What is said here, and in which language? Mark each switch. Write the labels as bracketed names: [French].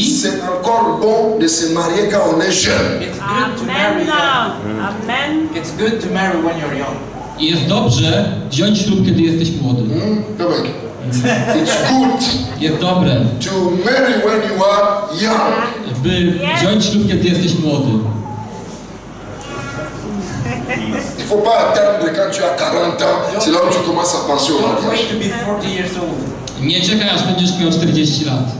[French] c'est encore bon de se marier quand on est jeune. [English] It's good Amen. To marry young. Amen. It's good to marry when you're young. [Polish] I jest dobrze wziąć ślub, kiedy jesteś młody. Dobrze. [English] It's good. [Polish] Jest dobre. [English] To marry when you are young. [Polish] By wziąć ślub, kiedy jesteś młody. [French] Il ne faut pas attendre quand tu as 40 ans, c'est là où tu commences à penser au mariage. [English] Don't wait to be 40 years old. [Polish] Nie czekaj, aż będziesz miał 40 lat.